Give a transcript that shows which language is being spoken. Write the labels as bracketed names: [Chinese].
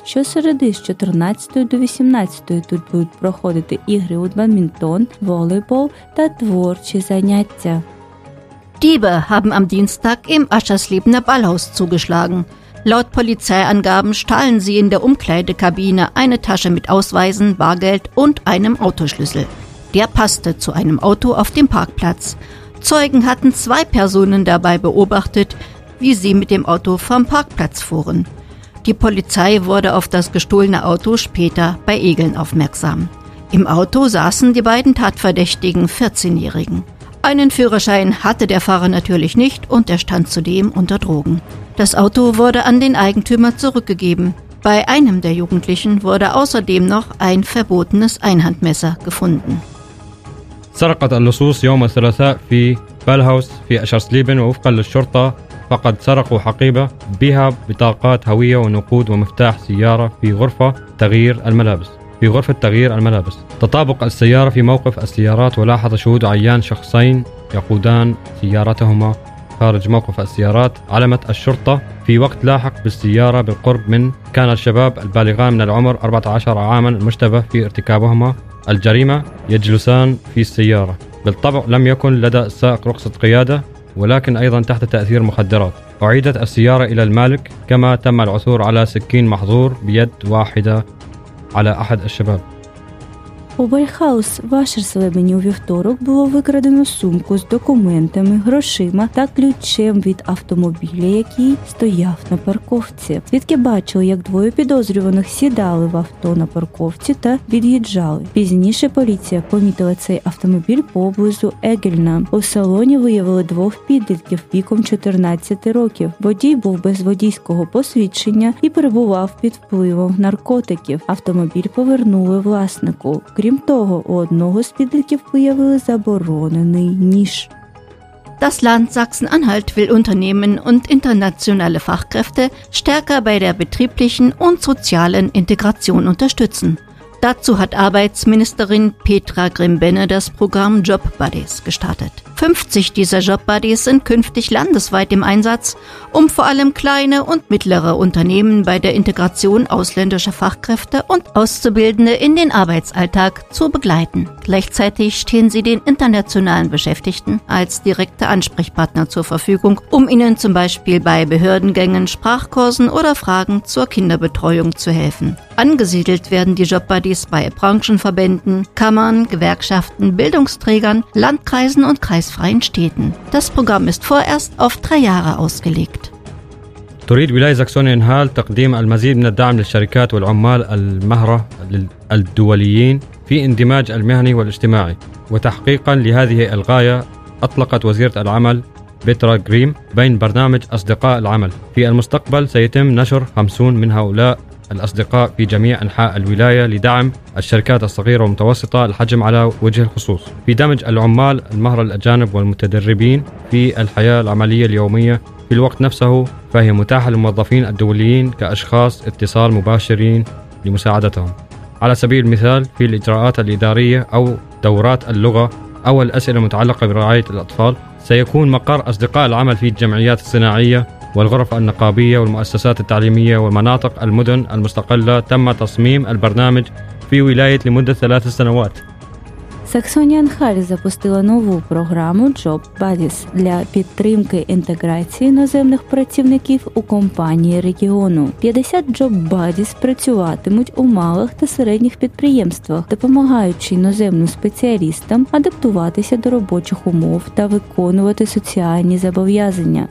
[Ukrainian] Щосереди з 14 до 18 тут будуть проходити ігри у бадмінтон, волейбол та творчі заняття. [German] Diebe haben am Dienstag im Aschersliebener Ballhaus zugeschlagen. Laut Polizeiangaben stahlen sie in der Umkleidekabine eine Tasche mit Ausweisen, Bargeld und einem Autoschlüssel. Der passte zu einem Auto auf dem Parkplatz. Zeugen hatten zwei Personen dabei beobachtet, wie sie mit dem Auto vom Parkplatz fuhren. Die Polizei wurde auf das gestohlene Auto später bei Egeln aufmerksam. Im Auto saßen die beiden tatverdächtigen 14-Jährigen. Einen Führerschein hatte der Fahrer natürlich nicht und er stand zudem unter Drogen. Das Auto wurde an den Eigentümer zurückgegeben. Bei einem der Jugendlichen wurde außerdem noch ein verbotenes Einhandmesser gefunden. [Arabic] سرقت اللصوص يوم الثلاثاء في بالهاوس في أشهرسليبن وفقا للشرطة فقد سرقوا حقيبة بها بطاقات هوية ونقود ومفتاح سيارة في غرفة تغيير الملابس. في غرفة تغيير الملابس تطابق السيارة في موقف السيارات ولاحظ شهود عيان شخصين يقودان سيارتهما خارج موقف السيارات علمت الشرطة في وقت لاحق بالسيارة بالقرب من كان الشباب البالغان من العمر 14 عاما المشتبه في ارتكابهما الجريمة يجلسان في السيارة بالطبع لم يكن لدى السائق رخصة قيادة ولكن أيضا تحت تأثير مخدرات أعيدت السيارة إلى المالك كما تم العثور على سكين محظور بيد واحدة على أحد الشباب [Ukrainian] У Бальхаус в Ашерслебені у вівторок було викрадено сумку з документами, грошима та ключем від автомобіля, який стояв на парковці. Свідки бачили, як двоє підозрюваних сідали в авто на парковці та від'їжджали. Пізніше поліція помітила цей автомобіль поблизу Егельна. У салоні виявили двох підлітків віком 14 років. Водій був без водійського посвідчення і перебував під впливом наркотиків. Автомобіль повернули власнику. Крім того, у одного з підлітків виявили заборонений ніж. [German] Das Land Sachsen-Anhalt will Unternehmen und internationale Fachkräfte stärker bei der betrieblichen und sozialen Integration unterstützen. Dazu hat Arbeitsministerin Petra Grimm-Benne das Programm Job Buddies gestartet. 50 dieser Job Buddies sind künftig landesweit im Einsatz, um vor allem kleine und mittlere Unternehmen bei der Integration ausländischer Fachkräfte und Auszubildende in den Arbeitsalltag zu begleiten. Gleichzeitig stehen sie den internationalen Beschäftigten als direkte Ansprechpartner zur Verfügung, um ihnen zum Beispiel bei Behördengängen, Sprachkursen oder Fragen zur Kinderbetreuung zu helfen. Angesiedelt werden die Job Buddies bei Branchenverbänden, Kammern, Gewerkschaften, Bildungsträgern, Landkreisen und kreisfreien Städten. Das Programm ist vorerst auf 3 Jahre ausgelegt. [Arabic] تريد ولاية ساكسوني-أنهالت تقديم المزيد من الدعم للشركات والعمال المهرة الدوليين في اندماج المهني والاجتماعي وتحقيقا لهذه الغاية أطلقت وزيرة العمل بيترا غريم بين برنامج أصدقاء العمل في المستقبل سيتم نشر 50 من هؤلاء الأصدقاء في جميع أنحاء الولاية لدعم الشركات الصغيرة والمتوسطة الحجم على وجه الخصوص في دمج العمال المهرة الأجانب والمتدربين في الحياة العملية اليومية في الوقت نفسه فهي متاحة للموظفين الدوليين كأشخاص اتصال مباشرين لمساعدتهم على سبيل المثال في الإجراءات الإدارية أو دورات اللغة أو الأسئلة المتعلقة برعاية الأطفال سيكون مقر أصدقاء العمل في الجمعيات الصناعية والغرف النقابية والمؤسسات التعليمية والمناطق المدن المستقلة تم تصميم البرنامج في ولاية لمدة 3 سنوات [Ukrainian] Саксонія-Анхаль запустила нову програму Job Buddies для підтримки інтеграції іноземних працівників у компанії регіону. 50 Job Buddies працюватимуть у малих та середніх підприємствах, допомагаючи іноземним спеціалістам адаптуватися до робочих умов та виконувати соціальні зобов'язання.